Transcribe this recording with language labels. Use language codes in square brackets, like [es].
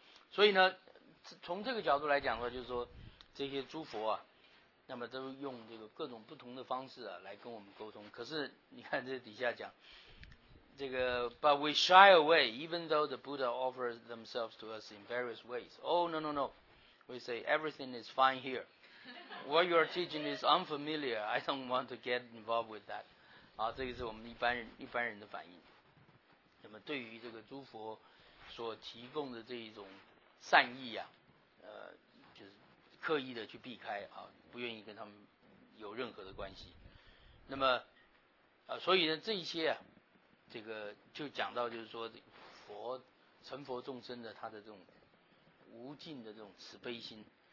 [zh] 所以呢，从这个角度来讲的话，就是说这些诸佛啊，那么都用这个各种不同的方式啊来跟我们沟通。可是你看这底下讲这个 [en] But we shy away even though the Buddha offers themselves to us in various ways. Oh no no no, we say everything is fine here. What you are teaching is unfamiliar. I don't want to get involved with that. [zh] 啊，这个是我们一般人的反应。那么对于这个诸佛所提供的这一种善意啊，就是刻意的去避开啊，不愿意跟他们有任何的关系。那么所以呢，这一些啊，这个就讲到就是说佛成佛众生的他的这种无尽的这种慈悲心。